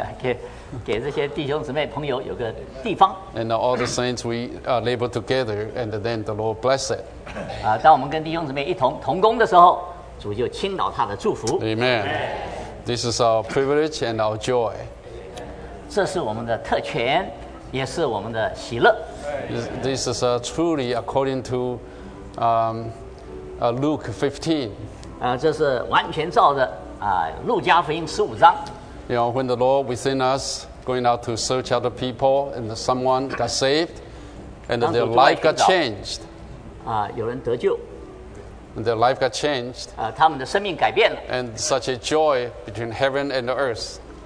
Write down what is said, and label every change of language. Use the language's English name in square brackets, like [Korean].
[Chinese] 我们能够做的就是把家打开，给这些弟兄姊妹朋友有个地方。 [English] And all the saints, we labor together, and then the Lord bless it. [Chinese] 当我们跟弟兄姊妹一同同工的时候，主就倾倒他的祝福。 [English] Amen. This is our privilege and our joy. [Chinese] 这是我们的特权。 [English] This is truly according to Luke 15. [Chinese] 这是完全照着路加福音15章。 [English] You know, when the Lord within us going out to search other people and someone got saved and their life got changed. [Chinese] 有人得救。 [English] And their life got changed. [Chinese] 他们的生命改变了。 [English] And such a joy between heaven and earth.